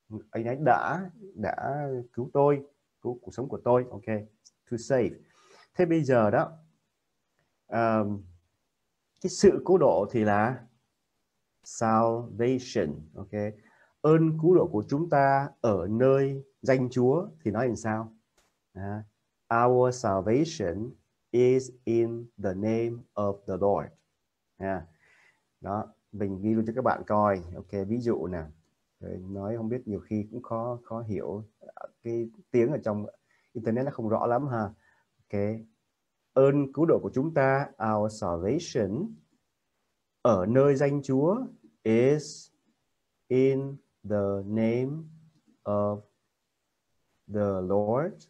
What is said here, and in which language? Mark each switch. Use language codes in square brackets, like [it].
[vi] Anh ấy đã cứu tôi, cứu cuộc sống của tôi. Ok, [en] to save. [vi] Thế bây giờ đó, cái sự cứu độ thì là salvation. Ok, ơn cứu độ của chúng ta ở nơi danh Chúa thì nói làm sao? [en] Our salvation is in the name of the Lord. [vi] Đó, mình ghi luôn cho các bạn coi. Ok, ví dụ nè. Nói không biết nhiều khi cũng khó khó hiểu. Cái tiếng ở trong Internet nó không rõ lắm ha. Ok. Ơn cứu độ của chúng ta, [en] our salvation, [vi] ở nơi danh Chúa, [en] is in the name of the Lord.